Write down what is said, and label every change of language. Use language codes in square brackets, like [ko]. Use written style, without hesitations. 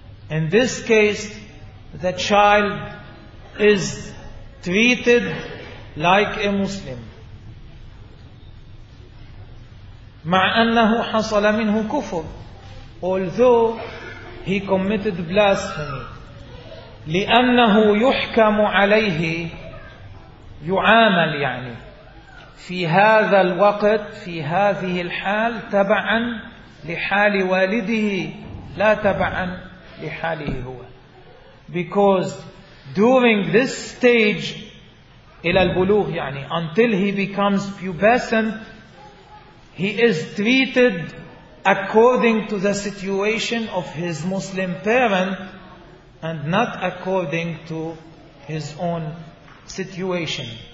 [en] In this case, the child is treated like a Muslim. [ar] مع أنه حصل منه كفر. [en] Although he committed blasphemy. [ar] لأنه يحكم عليه يعامل يعني في هذا الوقت في هذه الحال تبعا لحال والده لا تبعا لحاله هو. [en] Because during this stage, [ar] إلى البلوغ يعني, [en] until he becomes pubescent, he is treated according to the situation of his Muslim parent and not according to his own situation.